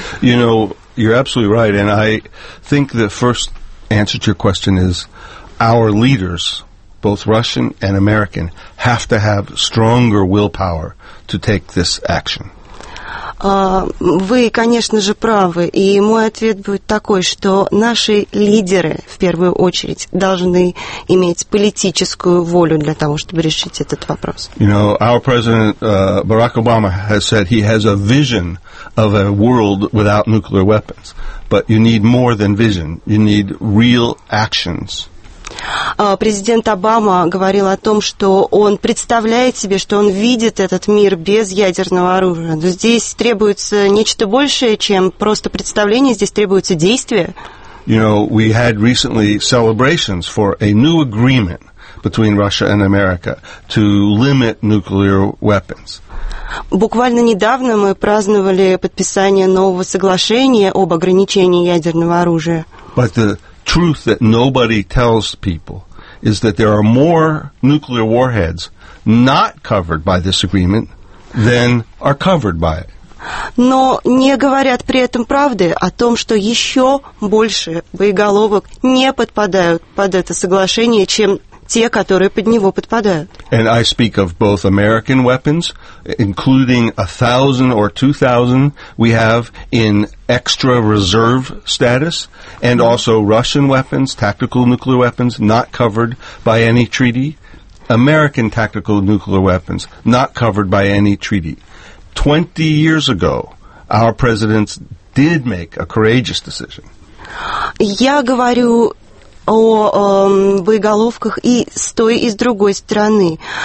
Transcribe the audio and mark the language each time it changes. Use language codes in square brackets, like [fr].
[en] You know, you're absolutely right, and I think the first answer to your question is our leaders, both Russian and American, have to have stronger willpower to take this action. [ru] Вы, конечно же, правы, и мой ответ будет такой, что наши лидеры, в первую очередь, должны иметь политическую волю для того, чтобы решить этот вопрос. [en] You know, our president, Barack Obama, has said he has a vision of a world without nuclear weapons, but you need more than vision, you need real actions. [ru] Президент Обама говорил о том, что он представляет себе, что он видит этот мир без ядерного оружия. Здесь требуется нечто большее, чем просто представление, здесь требуется действие. [en] You know, we had recently celebrations for a new agreement between Russia and America to limit nuclear weapons. [ru] Буквально недавно мы праздновали подписание нового соглашения об ограничении ядерного оружия. [en] But the truth that nobody tells people is that there are more nuclear warheads not covered by this agreement than are covered by it. [ru] Но не говорят при этом правды о том, что еще больше боеголовок не подпадают под это соглашение, чем те, которые под него подпадают. [en] And I speak of both American weapons, including 1,000 or 2,000 we have in extra reserve status, and also Russian weapons, tactical nuclear weapons, not covered by any treaty, American tactical nuclear weapons, not covered by any treaty. 20 years ago, our presidents did make a courageous decision. [ru] Я говорю о боеголовках и с той, и с другой стороны.